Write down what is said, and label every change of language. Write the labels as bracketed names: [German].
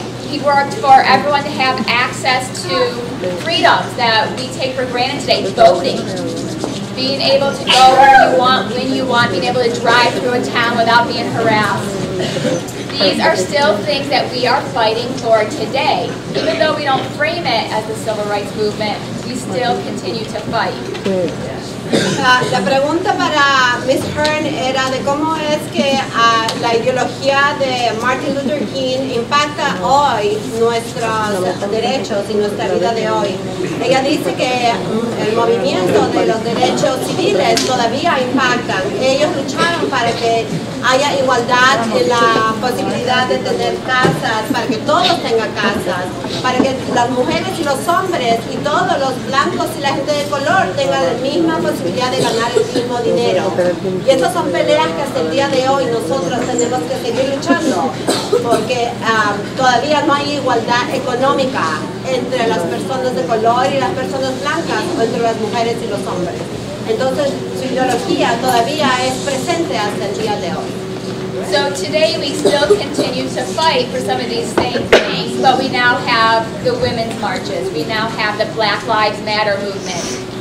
[English] He worked for everyone to have access to freedoms that we take for granted today, voting, being able to go where you want, when you want, being able to drive through a town without being harassed. These are still things that we are fighting for today. Even though we don't frame it as the civil rights movement, we still continue to fight. [Spanish] La pregunta para Ms. Hearn era de cómo es que la ideología de Martin Luther King impacta hoy nuestros derechos y nuestra vida de hoy. Ella dice que el movimiento de los derechos civiles todavía impacta. Ellos lucharon para que haya igualdad y la posibilidad de tener casas, para que todos tengan casas, para que las mujeres y los hombres y todos los blancos y la gente de color tengan la misma posibilidad de ganar el mismo dinero. Y esas son peleas que hasta el día de hoy nosotros tenemos que seguir luchando, porque todavía no hay igualdad económica entre las personas de color y las personas blancas, o entre las mujeres y los hombres. Entonces, su ideología todavía es presente hasta el día de hoy. [English] So today we still continue to fight for some of these same things, but we now have the women's marches. We now have the Black Lives Matter movement.